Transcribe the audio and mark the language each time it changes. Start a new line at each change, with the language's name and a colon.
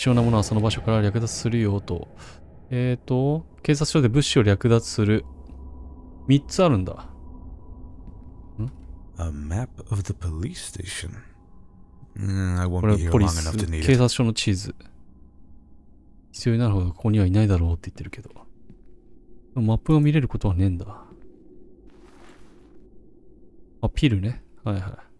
Japanese: 重なものはその場所から略奪するよと。警察署で物資を略奪する3つあるんだ。
English: A map of the police station.
Japanese: これはポリス、警察署の地図。必要になるほどここにはいないだろうって言ってるけど、マップが見れることはねえんだ。あ、ピルね。はいはい。